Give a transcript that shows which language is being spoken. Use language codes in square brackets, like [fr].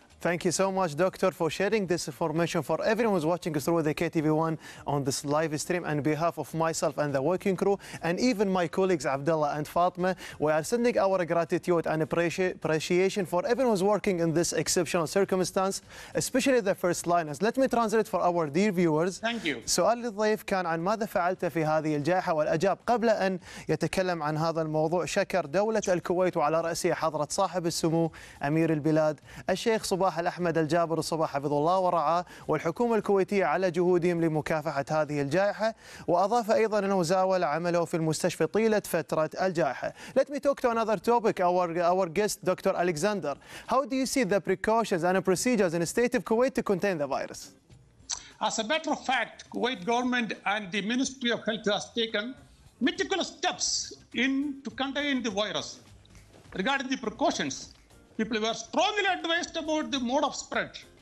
[en] Thank you so much, Doctor, for sharing this information for everyone who's watching us through the KTV1 on this live stream. On behalf of myself and the working crew, and even my colleagues, Abdullah and Fatma, we are sending our gratitude and appreciation for everyone who's working in this exceptional circumstance, especially the first liners. Let me translate for our dear viewers. Thank you. [ar] سؤال الضيف كان عن ماذا فعلت في هذه الجائحة والأجاب قبل أن يتكلم عن هذا الموضوع. شكر دولة الكويت وعلى رأسها حضرة صاحب السمو أمير البلاد الشيخ صباح الأحمد الجابر الصباح حفظ الله ورعاه والحكومة الكويتية على جهودهم لمكافحة هذه الجائحة. وأضاف أيضا أنه زاول عمله في المستشفى طيلة فترة الجائحة. [en] Let me talk to another topic. Our guest, Dr. Alexander. How do you see the precautions and procedures in the state of Kuwait to contain the virus? As a matter of fact, Kuwait government and the Ministry of Health has taken meticulous steps in to contain the virus. Regarding the precautions, people were strongly advised about the mode of spread.